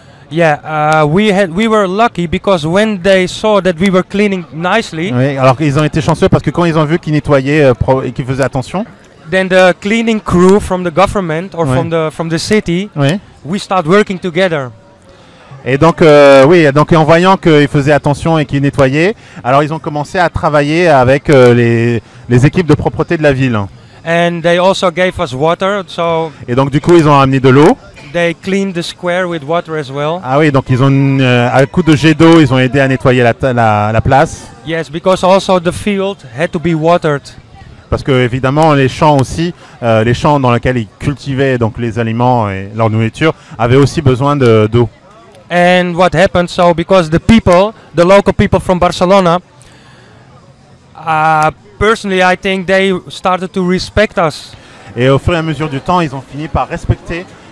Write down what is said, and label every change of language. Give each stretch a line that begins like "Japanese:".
English: Yeah, we were lucky because when they saw that we were cleaning nicely.
French: Oui, alors ils ont été chanceux parce que quand ils ont vu qu'ils nettoyaient et qu'ils faisaient attention.
English: Then the cleaning crew from the government or from the city.
French: Oui.
English: We start working together.
French: Et donc donc en voyant qu'ils faisaient attention et qu'ils nettoyaient, alors ils ont commencé à travailler avec les équipes de propreté de la ville.
English: And they also gave us water, so.
French: Et donc du coup ils ont amené de l'eau.
English: They cleaned the square with water as well.
French: Ah oui, donc ils ont à coup de jet d'eau, ils ont aidé à nettoyer la place.
English: Yes, because also the field had to be watered.
French: Parce que évidemment les champs aussi, les champs dans lesquels ils cultivaient donc les aliments et leur nourriture avaient aussi besoin d'eau.
English: And what happened? So because the people, the local people from Barcelona, personally, I think they started to respect us.
French: Et au fur et à mesure du temps, ils ont fini par respecter.